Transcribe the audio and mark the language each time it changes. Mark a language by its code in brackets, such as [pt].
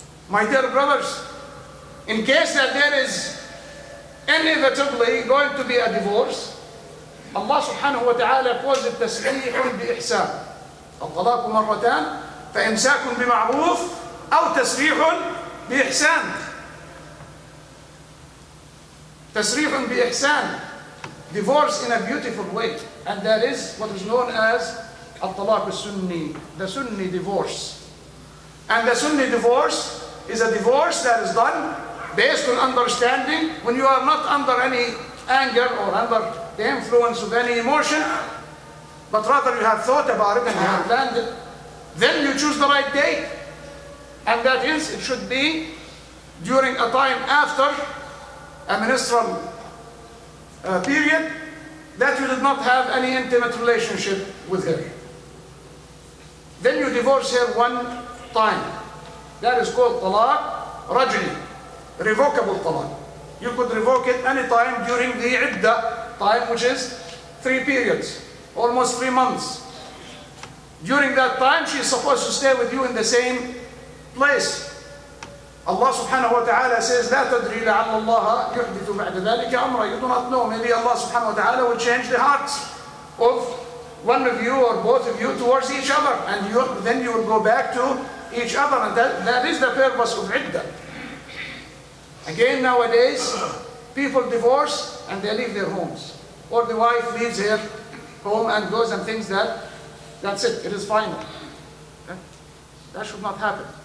[en] My dear brothers, in case that there is inevitably going to be a divorce, Allah سبحانه وتعالى calls it [ar] تسريح بإحسان. الطلاق مرتان، فإمساك بمعروف أو تسريح بإحسان. تسريح بإحسان. [en] Divorce in a beautiful way. And that is what is known as الطلاق السني. The Sunni divorce. And the Sunni divorce is a divorce that is done based on understanding when you are not under any anger or under the influence of any emotion, but rather you have thought about it and you have planned it. Then you choose the right day, and that is, it should be during a time after a menstrual period that you did not have any intimate relationship with her. Then you divorce her one time. That is called talaq rajli, revocable talaq. You could revoke it any time during the iddah time, which is three periods, almost 3 months. During that time, she is supposed to stay with you in the same place. Allah subhanahu wa ta'ala says, [ar] لا تدري لعل الله يحدث بعد ذلك أمرا. [en] You do not know, maybe Allah subhanahu wa ta'ala will change the hearts of one of you or both of you towards each other, and you, then you will go back to each other, and that is the purpose of iddah. Again, nowadays, people divorce and they leave their homes, or the wife leaves her home and goes and thinks that that's it, it is final. That should not happen.